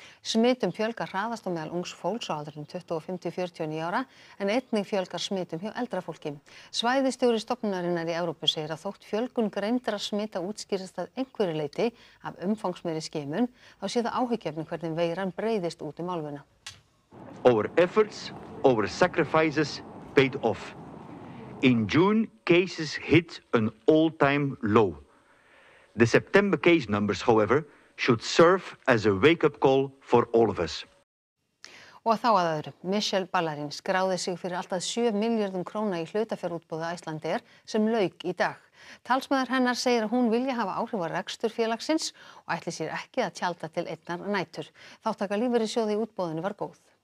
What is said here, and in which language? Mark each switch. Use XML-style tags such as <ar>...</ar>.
<is>Smitum fjölgar hraðast á meðal ungs fólks á aldrinum 25 til 49 ára, en einnig fjölgar smitum hjá eldra fólki. Svæðisstjóri stofnunarinnar í Evrópu segir að þótt fjölgun greindra smita útskýrist að einhverju leyti af umfangsmeiri skimun, þá sé það áhyggjefni hvernig veiran breiðist út álfuna.</is> <en>Our efforts, our sacrifices paid off. In June, cases hit an all-time low. The September case numbers, however, should serve as a wake-up call for all of us.</en> <is>Og þá að öðru, Michelle Ballarin skráði sig fyrir alltaf 7 miljardum króna í hlutafjárútboði Icelandair sem lauk í dag. Talsmaður hennar segir að hún vilja hafa áhrif á rekstur félagsins og ætli sér ekki að tjalda til einnar nætur. Þáttaka lífeyrissjóði í útboðinu var góð.</is>